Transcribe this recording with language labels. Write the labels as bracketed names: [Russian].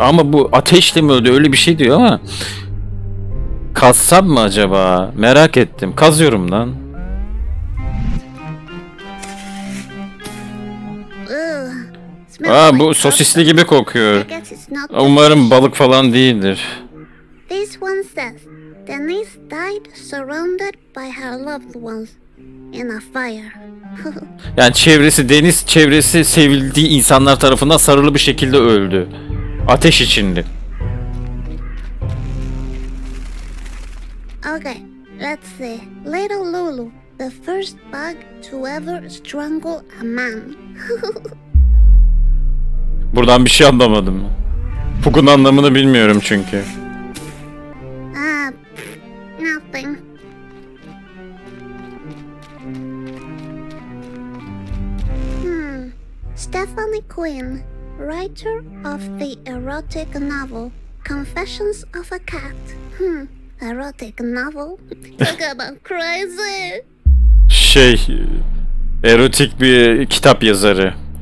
[Turkish] Ama bu ateşle mi öldü? Öyle bir şey diyor ama kazsam mı acaba? Merak ettim. Kazıyorum lan. Aa, bu sosisli gibi kokuyor. Umarım balık falan değildir. [English] This one says, Denise died surrounded by her loved ones in a fire. [Turkish] Yani çevresi, deniz çevresi sevildiği insanlar tarafından sarılı bir şekilde öldü. Ateş içinde. [English] Okay, let's see. Little Lulu, the first bug to ever strangle a man. [Turkish] Buradan bir şey anlamadım. Pug'un anlamını bilmiyorum çünkü. [English] Nothing. Stephanie Quinn, writer of the erotic novel Confessions of a Cat. Erotic novel? Talk about crazy. [Turkish] Şey, erotik bir kitap yazarı.